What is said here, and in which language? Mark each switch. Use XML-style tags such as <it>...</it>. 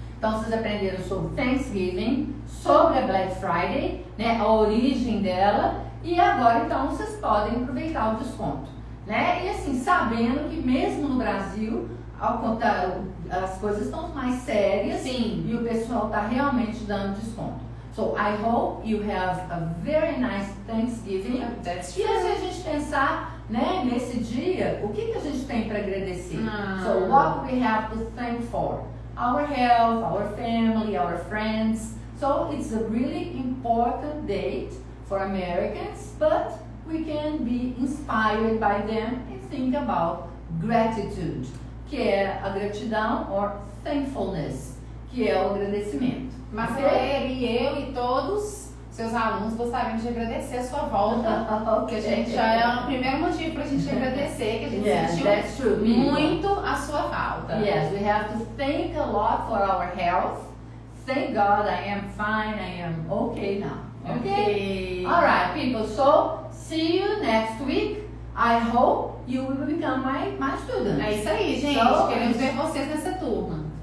<pt>Então, vocês aprenderam sobre Thanksgiving, sobre a Black Friday, né, a origem dela. E agora, então, vocês podem aproveitar o desconto. Né? E assim, sabendo que mesmo no Brasil, ao contar, as coisas estão mais sérias. Sim. E o pessoal está realmente dando desconto.</pt> <en>So, I hope you have a very nice Thanksgiving. That's true.</en> <pt>E às vezes a gente pensar, né, nesse dia, o que a gente tem para agradecer?</pt> <en>So, what we have to thank for? Our health, our family, our friends. So, it's a really important date for Americans, but we can be inspired by them and think about gratitude,</en> <pt>que é a gratidão,</pt> <en>or thankfulness,</en> <pt>que é o agradecimento. Mas eu e todos seus alunos gostaríamos de agradecer a sua volta.</pt> <en>Okay.</en> <pt>Que a gente já é o primeiro motivo para a gente agradecer, que a gente sentiu muito a sua falta.</pt> <en>Yes, we have to thank a lot for our health. Thank God I am fine, I am okay now. Okay. All right, people, so see you next week. I hope you will become my student.</en> <pt>É isso aí, gente. So, queremos ver vocês nessa turma.</pt>